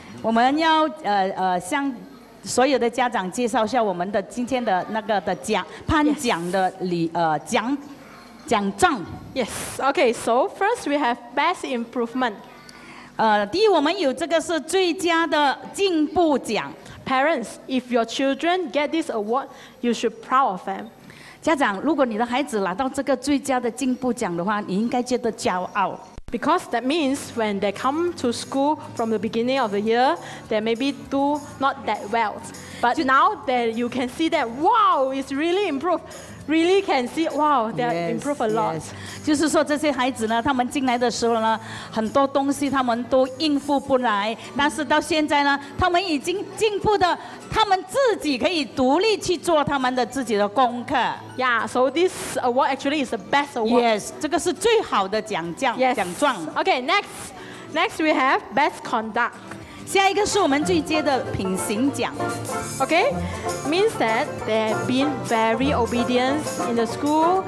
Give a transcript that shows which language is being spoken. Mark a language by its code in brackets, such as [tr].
[zh] 我们要向所有的家长介绍一下我们的今天的那个的奖颁奖的礼奖状。 [en] Yes. Okay. So first, we have best improvement. [zh] 第一，我们有这个是最佳的进步奖。 [en] Parents, if your children get this award, you should be proud of them. [zh] 家长，如果你的孩子拿到这个最佳的进步奖的话，你应该觉得骄傲。 [en] Because that means when they come to school from the beginning of the year, they maybe do not that well. But now that you can see that, wow, it's really improved. Really can see, wow, they have improved a lot. Yes. [zh] 就是说这些孩子呢，他们进来的时候呢，很多东西他们都应付不来。但是到现在呢，他们已经进步的，他们自己可以独立去做他们的自己的功课。 [en] Yeah, so this award actually is the best award. Yes, [zh] 这个是最好的奖状。 [en] Okay, next we have best conduct. [zh] 下一个是我们最佳的品行奖。 [en] Okay, means that they have been very obedient in the school.